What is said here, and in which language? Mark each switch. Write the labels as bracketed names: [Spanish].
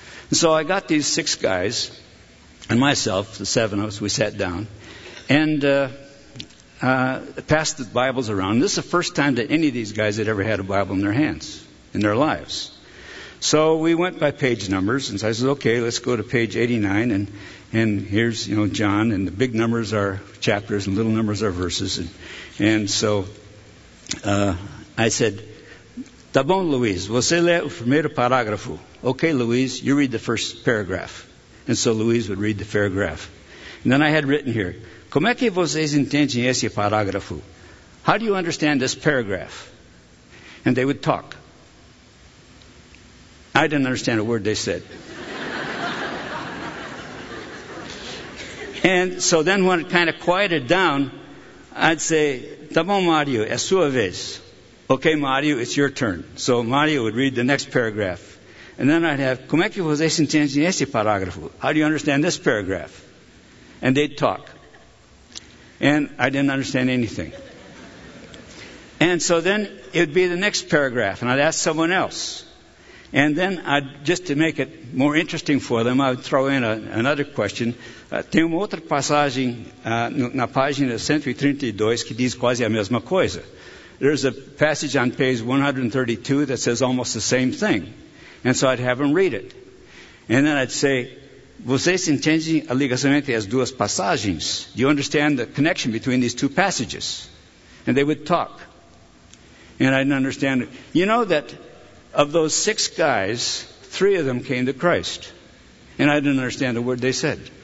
[English] And so I got these 6 guys and myself, the 7 of us, we sat down and passed the Bibles around. And this is the first time that any of these guys had ever had a Bible in their hands, in their lives. So we went by page numbers, and so I said, okay, let's go to page 89, and here's, you know, John, and the big numbers are chapters and little numbers are verses. And so I said, [Portuguese] tá bom, Luiz, você lê o primeiro parágrafo. [English] Okay, Luiz, you read the first paragraph. And so Luiz would read the paragraph. And then I had written here, [Portuguese] como é que vocês entendem esse parágrafo? [English] How do you understand this paragraph? And they would talk. I didn't understand a word they said. And so then when it kind of quieted down, I'd say, [Portuguese] tá bom, Mario, é sua vez. [English] Okay, Mario, it's your turn. So Mario would read the next paragraph. And then I'd have, [Portuguese] como é que vocês entendem esse parágrafo? [English] How do you understand this paragraph? And they'd talk. And I didn't understand anything. And so then it'd be the next paragraph, and I'd ask someone else. And then, I'd just to make it more interesting for them, I'd throw in another question. [Portuguese] Tem uma outra passagem na página 132 que diz quase a mesma coisa. [English] There's a passage on page 132 that says almost the same thing. And so I'd have them read it. And then I'd say, [Portuguese] vocês entendem a ligação entre as duas passagens? [English] Do you understand the connection between these two passages? And they would talk. And I didn't understand it. You know that of those 6 guys, 3 of them came to Christ. And I didn't understand a word they said.